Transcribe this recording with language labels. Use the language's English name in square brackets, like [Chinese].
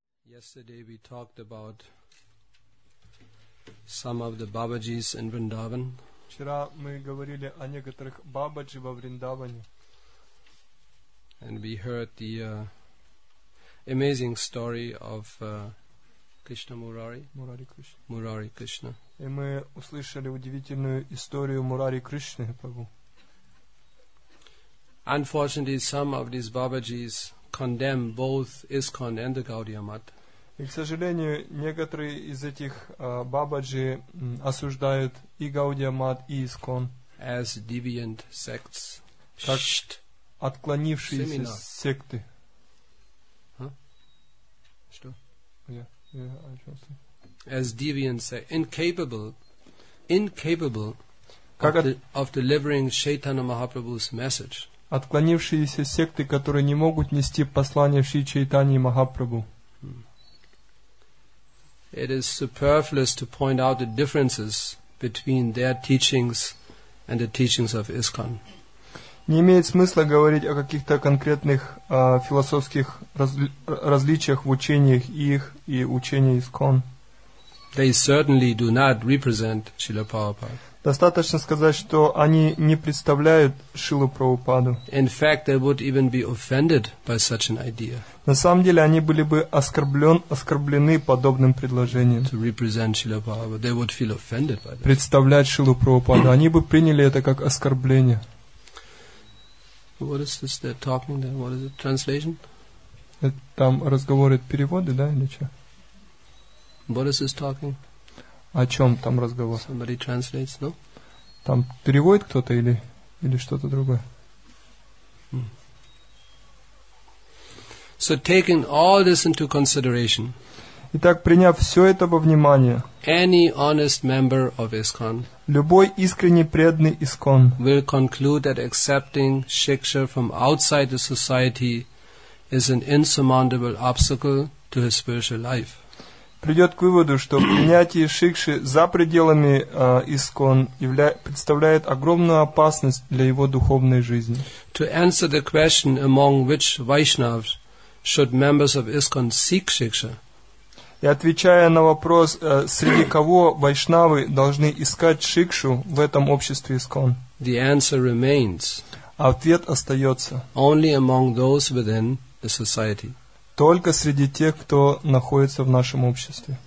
[English] Yesterday we talked about some of the Babaji's in Vrindavan. [Russian] Вчера мы говорили о некоторых Бабаджи во Вриндаване. [English] And we heard the amazing story of Krishna Murari. Murari Krishna. [Russian] И мы услышали удивительную историю Мурари Кришны. [English] Unfortunately, some of these Babaji's condemn both ISKCON and the Gaudiya Math. [Russian] И, к сожалению, некоторые из этих Бабаджи осуждают и Гаудия Мат, и ИСКОН [English] as deviant sects. [Russian] Как отклонившиеся Семинар. Секты. Что? [English] Yeah. As deviant sects. Incapable of delivering Шейтана Махапрабху's message. [Russian] Отклонившиеся секты, которые не могут нести послание Шри Чайтани Махапрабху. [English] It is superfluous to point out the differences between their teachings and the teachings of ISKCON. [Russian] Не имеет смысла говорить о каких-то конкретных философских различиях в учениях их и учения ISKCON. [English] They certainly do not represent Srila Prabhupada. [Russian] Достаточно сказать, что они не представляют Шрилу Прабхупаду. [English] In fact, they would even be offended by such an idea. [Russian] На самом деле, они были бы оскорблены подобным предложением. [English] To represent Srila Prabhupada, they would feel offended by this. [Russian] Представлять Шрилу Прабхупаду, они бы приняли это как оскорбление. [English] What is this they're talking then? What is it? Translation? [Russian] Это там разговоры, переводы, да, или что? [English] What is this talking? [Russian] О чем там разговор? [English] Somebody translates, no? [Russian] Там переводит кто-то или что-то другое? [English] So taking all this into consideration. [Russian] Итак, приняв все это во внимание. [English] Any honest member of ISKCON. [Russian] Любой искренне преданный ISKCON. [English] Will conclude that accepting shiksha from outside the society is an insurmountable obstacle to his spiritual life. [Russian] Придет к выводу, что принятие шикши за пределами ИСКОН представляет огромную опасность для его духовной жизни. [English] To answer the question among which Vaishnavs should members of ISKCON seek шикша. [Russian] И отвечая на вопрос, среди кого вайшнавы должны искать шикшу в этом обществе ИСКОН. [English] The answer remains. [Russian] Ответ остается. [English] Only among those within the society. [Russian] Только среди тех, кто находится в нашем обществе.